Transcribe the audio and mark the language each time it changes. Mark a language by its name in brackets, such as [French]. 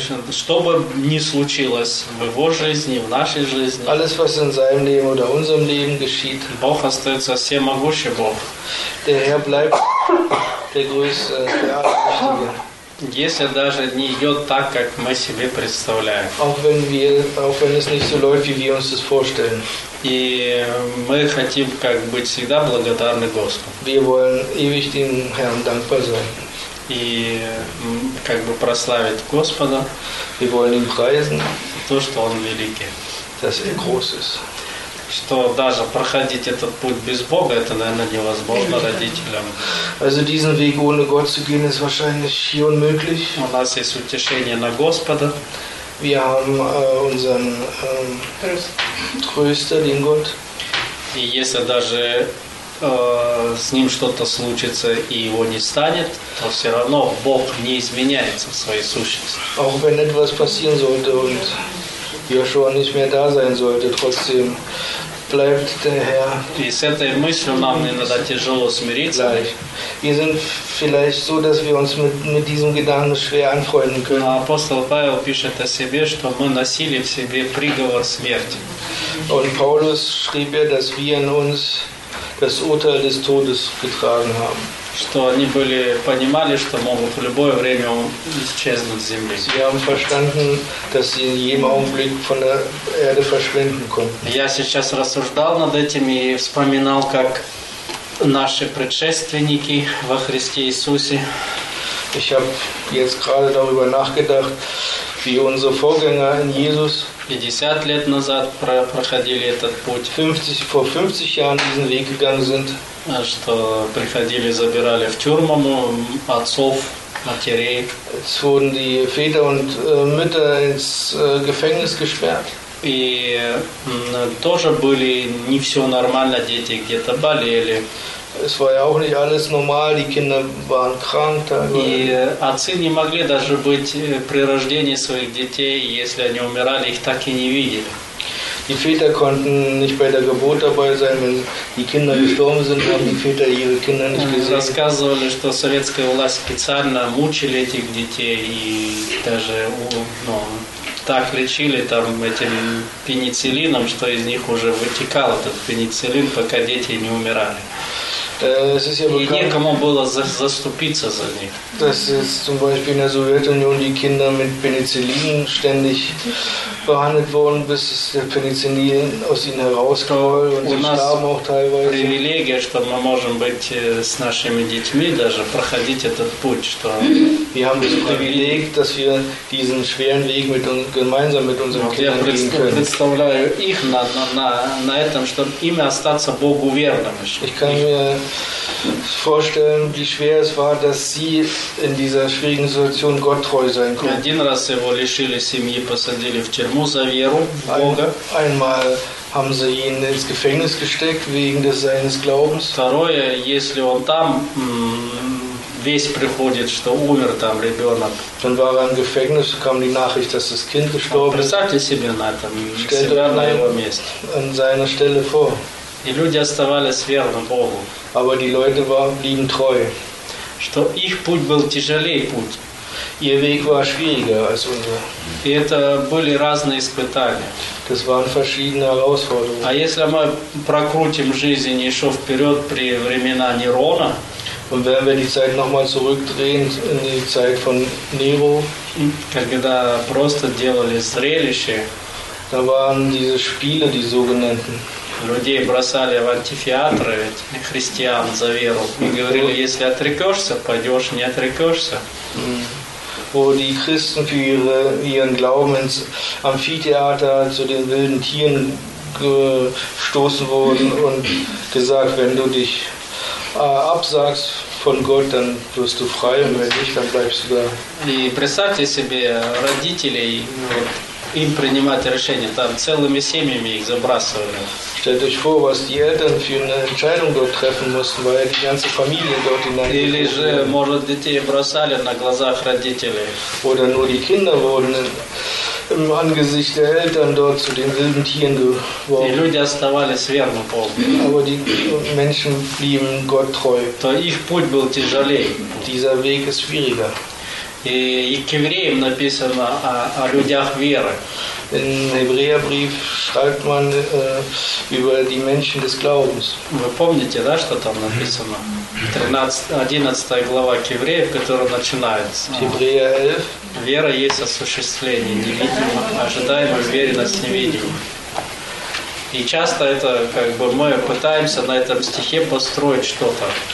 [Russian] Что бы ни случилось в его жизни, в нашей жизни, [German] alles, was in seinem Leben oder unserem Leben geschieht, [Russian] Бог остается всемогущим Бог. [German] Der Herr bleibt der Größte, der Allmächtige. [Russian] Если даже не идет так, как мы себе представляем. [German] Auch wenn es nicht so läuft, wie wir uns das vorstellen. [Russian] И мы хотим как быть всегда благодарны Господу. [German] Wir wollen ewig dem Herrn dankbar sein. [Russian] И как бы прославить Господа. [German] Wir wollen ihn preisen. [Russian] То, что Он великий. [German] Dass er groß ist. [Russian] Что даже проходить этот путь без Бога, это, наверное, невозможно родителям. [German] Also diesen Weg ohne Gott zu gehen, ist wahrscheinlich hier unmöglich. [Russian] У нас есть утешение на Господа. [German] Wir haben unseren Tröster, den Gott. [Russian] И если даже с ним что-то случится и его не станет, то все равно Бог не изменяется в своей сущности. [German] Auch wenn etwas passieren sollte und Joshua nicht mehr da sein sollte, trotzdem bleibt der Herr. [Russian] И с этой мыслью нам иногда тяжело смириться. [German] Gleich. Wir sind vielleicht so, dass wir uns mit diesem Gedanken schwer anfreunden können. [Russian] Апостол Павел пишет о себе, что мы носили в себе приговор смерти. [German] Und Paulus schrieb ja, dass wir in uns das Urteil des Todes getragen haben. [Russian] Что они были понимали, что могут в любое время исчезнуть с земли. [German] Sie haben verstanden, dass sie in jedem Augenblick von der Erde verschwinden konnten. [Russian] Я сейчас рассуждал над этим и вспоминал, как наши предшественники во Христе Иисусе. [German] Ich habe jetzt gerade darüber nachgedacht, wie unsere Vorgänger in Jesus [Russian] 50 лет назад проходили этот путь. [German] 50, vor 50 Jahren diesen Weg gegangen sind. [Russian] Что приходили, забирали в тюрьму отцов, матерей. [German] Es wurden die Väter und Mütter ins Gefängnis gesperrt. [Russian] И тоже были не все нормально, дети где-то болели. [German] Es war ja auch nicht alles normal, die Kinder waren krank. [Russian] И отцы не могли даже быть при рождении своих детей, если они умирали, их так и не видели. [German] Die Väter konnten nicht bei der Geburt dabei sein, wenn die Kinder gestorben sind, haben die Väter ihre Kinder nicht gesehen. [Russian] Рассказывали, что советская власть специально мучили этих детей и даже так лечили там этим пенициллином, что из них уже вытекал этот пенициллин, пока дети не умирали. И некому было заступиться за них. [German] Dass jetzt zum Beispiel in der Sowjetunion die Kinder mit Penicillin ständig behandelt wurden, bis der Penicillin aus ihnen herauskroll und sie starben auch teilweise. [Russian] Привилегия, что мы можем быть с нашими детьми даже проходить этот путь, что [German] wir haben das Privileg, dass wir diesen schweren Weg mit uns gemeinsam mit unseren Kindern gehen können. [Russian] Представляю их на этом, чтобы им остаться Богу верным. [German] Ich kann mir vorstellen, wie schwer es war, dass sie in dieser schwierigen Situation Gott treu sein konnte. [Russian] Один раз его лишили семьи, посадили в тюрьму за веру в Бога. [German] Einmal haben sie ihn ins Gefängnis gesteckt wegen des seines Glaubens. [Russian] Второе, если он там весь приходит, что умер там ребенок. [German] Dann war er im Gefängnis, kam die Nachricht, dass das Kind gestorben. [Russian] Представьте себе на этом, на его месте. [German] An seiner Stelle vor. [Russian] И люди оставались верны Богу. [German] Aber die Leute blieben treu. [Russian] Что их путь был тяжелее путь. [German] Ihr Weg war schwieriger als unser. [Russian] И это были разные испытания. [German] Das waren verschiedene Herausforderungen. [Russian] А если мы прокрутим жизнь еще вперед при времена Нерона, [German] und wenn wir die Zeit nochmal zurückdrehen in die Zeit von Nero, [Russian] когда просто делали зрелище, [German] da waren diese Spiele, die sogenannten. [Russian] Людей бросали в амфитеатры, христиан за веру, и говорили, если отрекешься, пойдешь, не отрекешься. [German] Wo die Christen für ihren Glauben ins Amphitheater zu den wilden Tieren gestoßen wurden und gesagt, wenn du dich absagst von Gott, dann wirst du frei, und wenn nicht, dann bleibst du da. [Russian] И представьте себе родителей, им принимать решение, там целыми семьями их забрасывали. [German] Stellt euch vor, was die Eltern für eine Entscheidung dort treffen mussten, weil die ganze Familie dort hineingekommen ist. [Russian] Или же, может, детей бросали на глазах родителей. [German] Oder nur die Kinder wurden im Angesicht der Eltern dort zu den wilden Tieren geworfen. [Russian] И люди оставались верны Богу. [German] Aber die Menschen blieben Gott treu. [Russian] То их путь был тяжелее. [German] Dieser Weg ist schwieriger. [Russian] И к евреям написано о людях веры. [German] In Hebräerbrief schreibt man über die Menschen des Glaubens. [Russian] Вы помните, да, что там написано? 11 глава к евреям, которая начинается. [German] Hebräer 11. [Russian] Вера есть осуществление невидимого, ожидаемое уверенность невидимого. И часто это, как бы, мы пытаемся на этом стихе построить что-то.